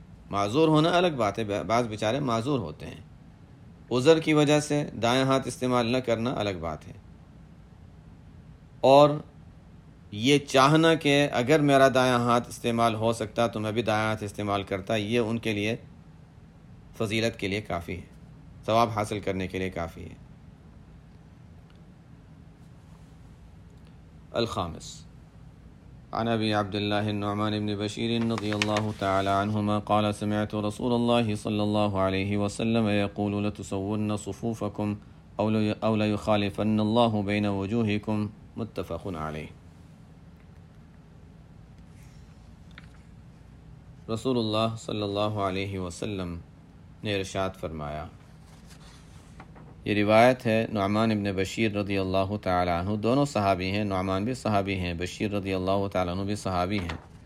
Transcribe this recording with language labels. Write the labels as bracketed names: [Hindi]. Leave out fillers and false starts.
[Urdu] معذور ہونا الگ بات ہے، بعض بیچارے معذور ہوتے ہیں، عذر کی وجہ سے دائیں ہاتھ استعمال نہ کرنا الگ بات ہے، اور یہ چاہنا کہ اگر میرا دائیں ہاتھ استعمال ہو سکتا تو میں بھی دائیں ہاتھ استعمال کرتا، یہ ان کے لیے فضیلت کے لیے کافی ہے، ثواب حاصل کرنے کے لیے کافی ہے. [Arabic] الخامس، عن ابي عبد الله النعمان بن بشير رضي الله تعالى عنهما قال سمعت رسول الله صلى الله عليه وسلم يقول لتصورن صفوفكم او ليخالفن الله بين وجوهكم، متفق عليه. [Urdu] رسول الله صلى الله عليه وسلم نے ارشاد فرمایا، یہ روایت ہے نعمان ابن بشیر رضی اللہ تعالیٰ عنہ، دونوں صحابی ہیں، نعمان بھی صحابی ہیں، بشیر رضی اللہ تعالیٰ عنہ بھی صحابی ہیں.